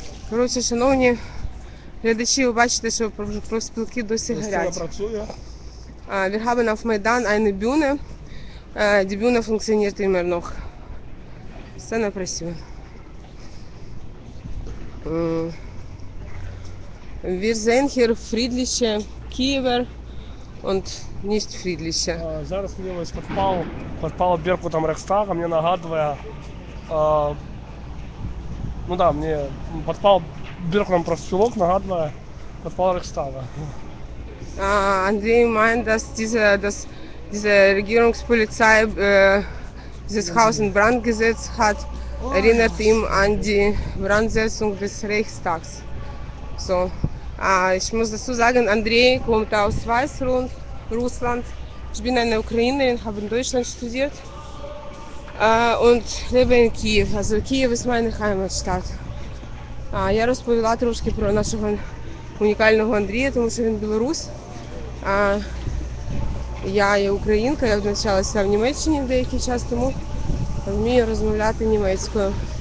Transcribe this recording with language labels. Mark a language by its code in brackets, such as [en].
[uk] Коротше, шановні глядачі, ви бачите, що профспілки досі горять. [de] Wir haben auf Майдан eine Bühne. Die Bühne funktioniert immer noch. [uk] Все не працює. [de] Wir sehen hier friedliche Kiewer. Und nicht friedliche. [uk] Зараз мені ось подпало Беркутом Рейхстага, мені нагадує. Ну да, мені подпало Беркутом профсюлок, нагадує подпало Рейхстага. [de] Андрей meint, dass diese Regierungspolizei dieses Haus in Brand gesetzt hat, erinnert ihm an die Brandsetzung des Reichstags. So. Ich muss dazu sagen, Andrei kommt aus Weißrussland, Ich bin eine Ukrainerin, habe in Deutschland studiert und lebe in Kiew. Also Kiew ist meine Heimatstadt. [uk] Я розповіла трошки про нашого унікального Андрія, тому що він білорус. Я є українка, я навчалася в Німеччині деякий час тому. Вмію розмовляти німецькою.